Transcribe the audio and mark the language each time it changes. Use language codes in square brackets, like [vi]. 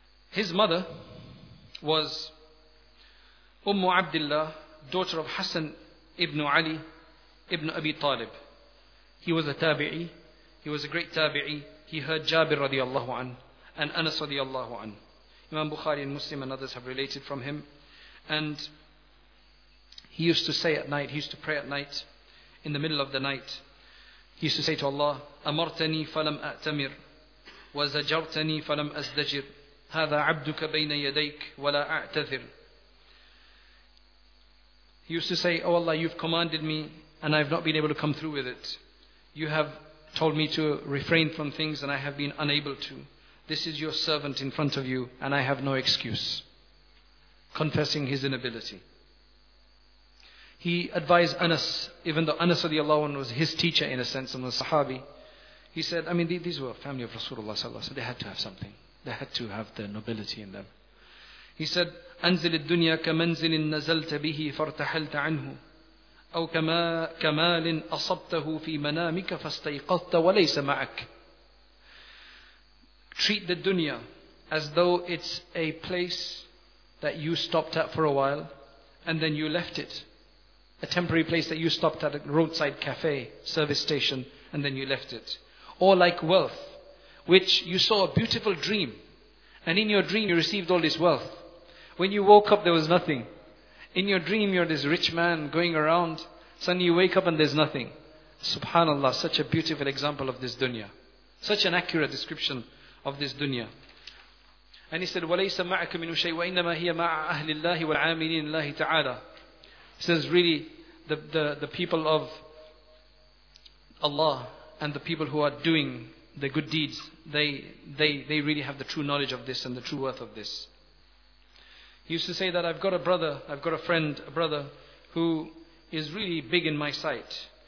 [en] His mother was Ummu Abdullah, daughter of Hassan ibn Ali ibn Abi Talib. He was a tabi'i. He was a great tabi'i. He heard Jabir radiallahu an and Anas radiallahu an. Imam Bukhari and Muslim and others have related from him. And he used to say at night, he used to pray at night, in the middle of the night. He used to say to Allah, [ar] أَمَرْتَنِي فَلَمْ أَأْتَمِرْ وَزَجَرْتَنِي فَلَمْ أَزْدَجِرْ هَذَا عَبْدُكَ بَيْنَ يَدَيْكَ وَلَا أَعْتَذِرْ. [en] He used to say, oh Allah, you've commanded me and I've not been able to come through with it. You have told me to refrain from things and I have been unable to. This is your servant in front of you and I have no excuse. Confessing his inability. He advised Anas, even though Anas radiallahu anhu was his teacher in a sense and the Sahabi. He said, I mean, these were family of Rasulullah sallallahu alaihi wasallam. They had to have something. They had to have the nobility in them. He said, [ar] أنزل الدنيا كمنزل نزلت به فارتحلت عنه أو كمال أصبته في منامك فاستيقظت وليس معك. [en] Treat the dunya as though it's a place that you stopped at for a while and then you left it. A temporary place that you stopped at a roadside cafe, service station, and then you left it. Or like wealth, which you saw a beautiful dream and in your dream you received all this wealth. When you woke up, there was nothing. In your dream, you're this rich man going around. Suddenly you wake up and there's nothing. Subhanallah, such a beautiful example of this dunya. Such an accurate description of this dunya. And he said, [ar] وَلَيْسَ مَعَكَ مِنُ شَيْءٍ وَإِنَّمَا هِيَ مَعَ أَهْلِ اللَّهِ وَالْعَامِلِينَ اللَّهِ تَعَالَى. [en] He says, really, the people of Allah and the people who are doing the good deeds, they really have the true knowledge of this and the true worth of this. He used to say that I've got a friend, a brother, who is really big in my sight.